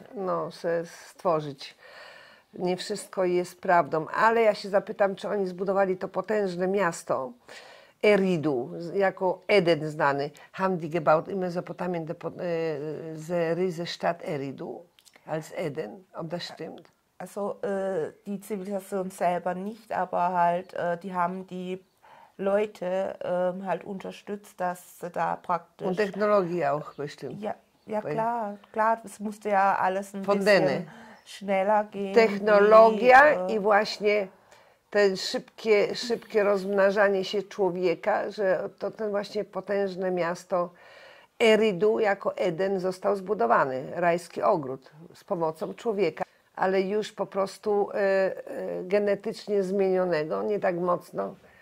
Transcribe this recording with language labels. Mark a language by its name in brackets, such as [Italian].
[Polish] No, se stworzyć. Nie wszystko jest prawdą, ale ja się zapytam, czy oni zbudowali to potężne miasto Eridu, jako Eden znany, [German] haben die gebaut in Mesopotamien ze Riese Stadt Eridu, als Eden, ob das stimmt? Also die Zivilisation selber nicht, aber halt die haben die Leute halt unterstützt, dass sie da praktisch... Und Technologie auch bestimmt. Ja, ja klar, es musste ja alles ein von bisschen denen schneller gehen. [Polish] Technologia i właśnie ten szybkie rozmnażanie się człowieka, że to ten właśnie potężne miasto Eridu jako Eden został zbudowany, rajski ogród z pomocą człowieka. A ale już po prostu genetycznie zmienionego, nie tak mocno.